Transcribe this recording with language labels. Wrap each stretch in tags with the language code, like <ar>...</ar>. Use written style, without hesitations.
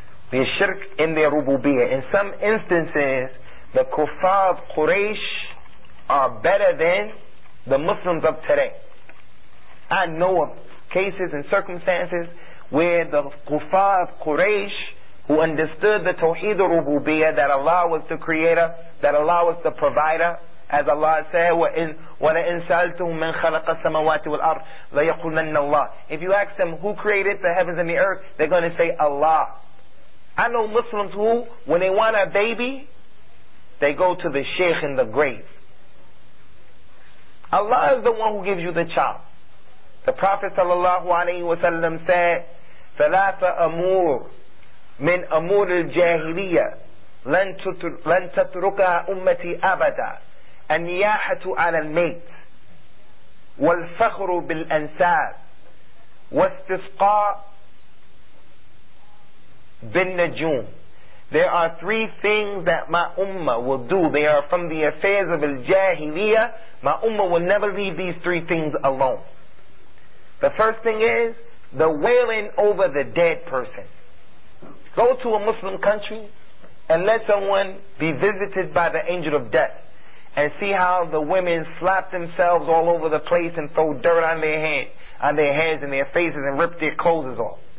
<en>They have shirk in their rububiyyah. In some instances, the kuffar of Quraysh are better than the Muslims of today. I know of cases and circumstances where the kuffar of Quraysh who understood the Tawheed al-Rububiyyah, that Allah was the creator, that Allah was the provider.</en> <ar>As Allah said, وَلَئِنْ سَأَلْتُهُمْ مَنْ خَلَقَ السَّمَوَاتِ وَالْأَرْضِ لَيَقُولَنَّ اللَّهِ.</ar> <en>If you ask them, who created the heavens and the earth, they're going to say Allah. I know Muslims who, when they want a baby, they go to the sheikh in the grave. Allah is the one who gives you the child.</en> <ar>The Prophet sallallahu alayhi wa sallam said, ثَلَاثَ أَمُورُ مِنْ أَمُورِ الْجَاهِلِيَّةِ لَنْ تَتْرُكَ أُمَّتِي أَبَدًا النياحة على الميت والفخر بالأنساب واستسقاء بالنجوم.</ar> <en>There are three things that my ummah will do. They are from the affairs of al-jahiliyyah. My ummah will never leave these three things alone. The first thing is the wailing over the dead person. Go to a Muslim country and let someone be visited by the angel of death, and see how the women slap themselves all over the place and throw dirt on their head, on their heads and their faces, and rip their clothes off.</en>